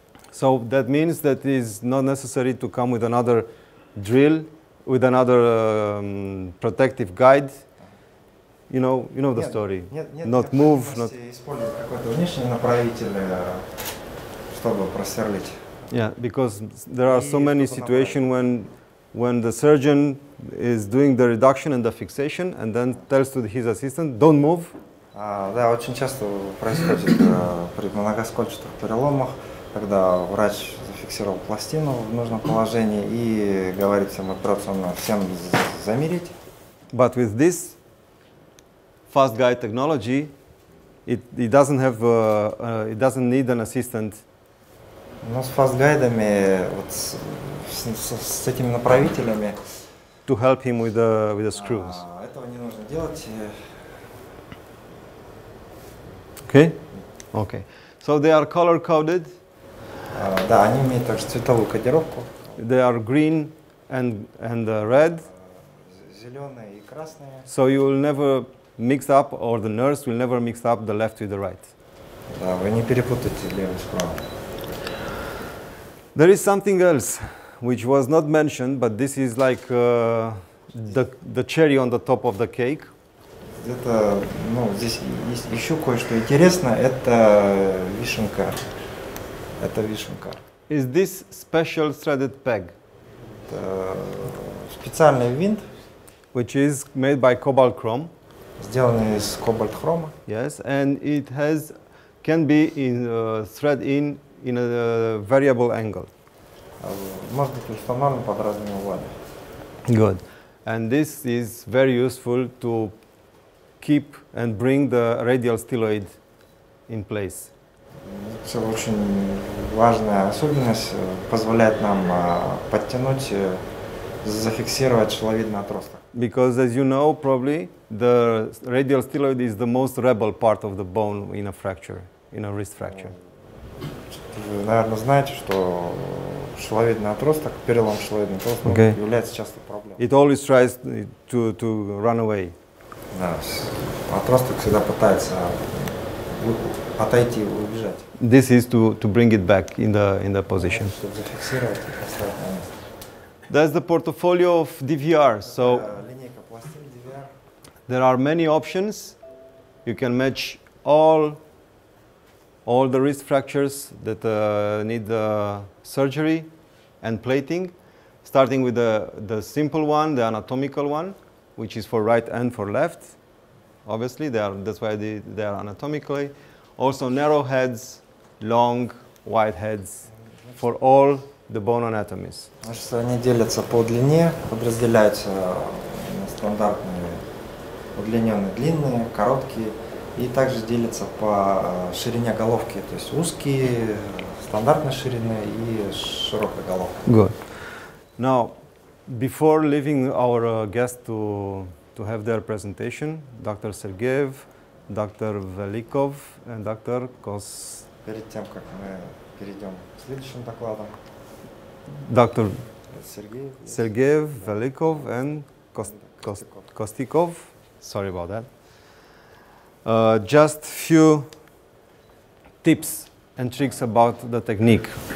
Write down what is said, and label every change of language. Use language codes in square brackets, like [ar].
[en] So that means that it is not necessary to come with another drill, with another protective guide. You know the story. Not move, not [ru] использовать какой-то внешний направитель, чтобы просверлить. [en] Yeah, because there are so many situations when the surgeon is doing the reduction and the fixation and then tells to his assistant, don't move. [ru] Да, очень часто происходит при многоскольчатых переломах, когда врач зафиксировал пластину в нужном положении и говорит всем операционно всем замерить. [en] But with this fast guide technology, it doesn't need an assistant. [ru] Но с fast guide-ами, вот с этими направителями, [en] to help him with the screws. [ru] Этого не нужно делать. [en] Okay. Okay. So they are color coded. [ru] Да, они имеют также цветовую кодировку. [en] They are green and red. [ru] Зеленые и красные. [en] So you will never mix up, or the nurse will never mix up the left with the right. [ru] Да, вы не перепутаете левый с правым. [en] There is something else, which was not mentioned, but this is like the cherry on the top of the cake. [ru] Здесь есть еще кое-что интересное. Это вишенка. [en] Is this special threaded peg? [ru] Это специальный винт, [en] which is made by cobalt chrome. [ru] Сделанный из кобальт хрома. [en] Yes, and it has can be in thread in a variable angle. [ru] Может быть установлен под разными углами. [en] Good, and this is very useful to keep and bring the radial styloid in place. [ru] Это очень важная особенность, позволяет нам подтянуть, зафиксировать шиловидный отросток. [en] Because as you know probably the radial styloid is the most rebel part of the bone in a fracture, in a wrist fracture. [ru] Вы, наверное, знаете, что шиловидный отросток, перелом шиловидного отростка [en] okay. [ru] является часто проблемой. [en] It always tries to run away. [ru] Да, отросток всегда пытается отойти, убежать. [en] This is to bring it back in the position. [ru] Чтобы зафиксировать и поставить на место. [en] That's the portfolio of DVR. So [ru] линейка пластин DVR. [en] There are many options. You can match all all the wrist fractures that need surgery and plating, starting with the simple one, the anatomical one, which is for right and for left. Obviously, that's why they are anatomically. Also, narrow heads, long, wide heads, for all the bone anatomies. [ru] Значит, они делятся по длине, подразделяются на стандартные, удлиненные, длинные, короткие, и также делятся по ширине головки, то есть узкие, стандартной ширины и широкой головки. [en] Good. Now, before leaving our guest to have their presentation, Dr. Sergeyev, Dr. Velikov, and Dr. Kos. [ru] Перед тем, как мы перейдем к следующим докладам. Доктор Сергеев, Великов и Костиков. [en] Sorry about that. Just few tips and tricks about the technique.